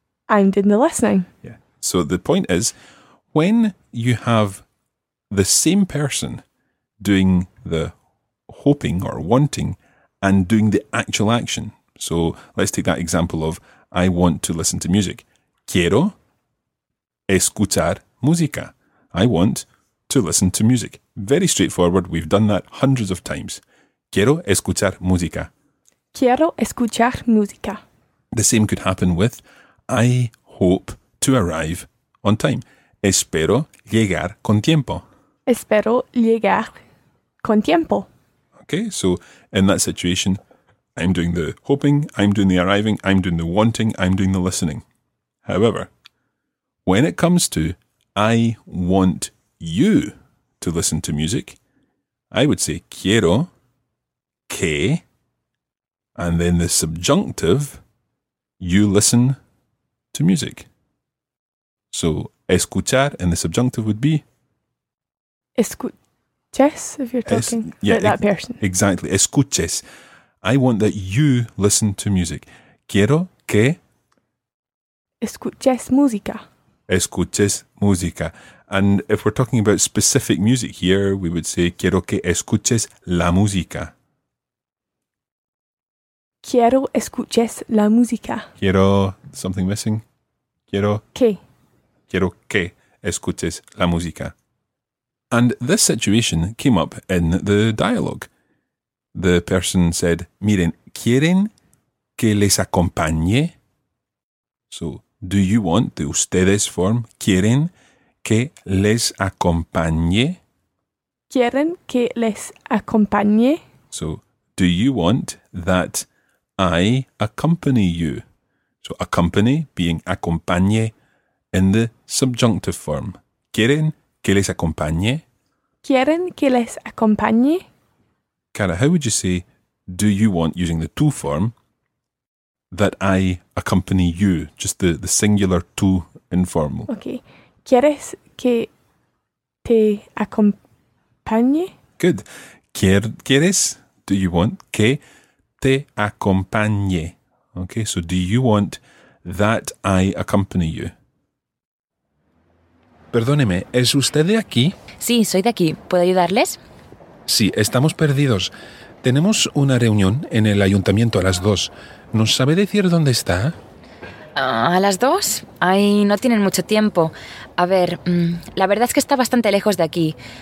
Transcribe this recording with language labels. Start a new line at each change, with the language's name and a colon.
English: I'm doing the listening. Yeah. So the point is, when you have the same person doing the hoping or wanting and doing the actual action. So let's take that example of I want to listen to music.
Spanish: Quiero escuchar música.
English: I want to listen to music. Very straightforward. We've done that hundreds of times.
Spanish: Quiero escuchar música. Quiero escuchar música.
English: The same could happen with I hope to arrive on time.
Spanish: Espero llegar con tiempo. Espero llegar con tiempo.
English: Okay, so in that situation, I'm doing the hoping, I'm doing the arriving, I'm doing the wanting, I'm doing the listening. However, when it comes to I want you to listen to music, I would say
Spanish: quiero que,
English: and then the subjunctive, you listen to music. So, escuchar in the subjunctive would be? Escuches, if you're talking that person. Exactly, escuches. I want that you listen to music.
Spanish: Quiero que escuches música. Escuches música.
English: And if we're talking about specific music here, we would say
Spanish: quiero que escuches la música. Quiero escuches la música.
English: Quiero, something missing. Quiero
Spanish: que. Quiero que escuches la música.
English: And this situation came up in the dialogue. The person said,
Spanish: miren, ¿quieren que les acompañe?
English: So, do you want the ustedes form?
Spanish: ¿Quieren que les acompañe? ¿Quieren que les acompañe?
English: So, do you want that I accompany you? So, accompany being acompañe in the subjunctive form.
Spanish: ¿Quieren que les acompañe? ¿Quieren que les acompañe?
English: Cara, how would you say, do you want, using the tú form, that I accompany you? Just the singular tú informal. Okay.
Spanish: ¿Quieres que te acompañe?
English: Good.
Spanish: ¿Quieres,
English: do you want,
Spanish: que te acompañe?
English: Okay, so do you want that I accompany you?
Spanish: Perdóneme, ¿es usted de aquí? Sí, soy de aquí. ¿Puedo ayudarles? Sí, estamos perdidos. Tenemos una reunión en el ayuntamiento a las 2. ¿Nos sabe decir dónde está? ¿A las 2? Ay, no tienen mucho tiempo. A ver, la verdad es que está bastante lejos de aquí.